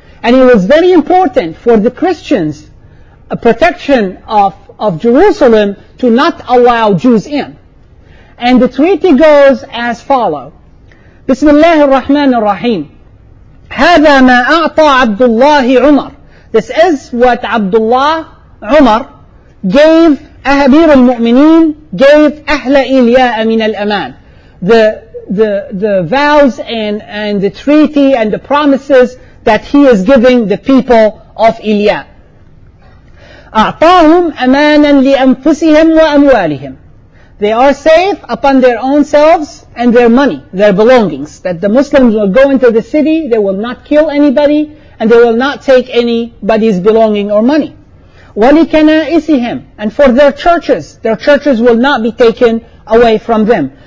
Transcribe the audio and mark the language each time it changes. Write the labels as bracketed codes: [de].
[en] And it was very important for the Christians, a protection of Jerusalem, to not allow Jews in. And the treaty goes as follows. Bismillah ar-Rahman ar-Rahim. [ar] هذا ما أعطى عبد الله عمر. [en] This is what Abdullah Umar gave [ar] أهبير المؤمنين gave أهل إيلياء من الأمان. [en] The vows and the treaty and the promises that he is giving the people of إيلياء. [ar] أعطاهم أمانا لأنفسهم وأموالهم. [en] They are safe upon their own selves and their money, their belongings. That the Muslims will go into the city, they will not kill anybody, and they will not take anybody's belonging or money. [ar] وَلِكَنَائِسِهِمْ [en] And for their churches. Their churches will not be taken away from them.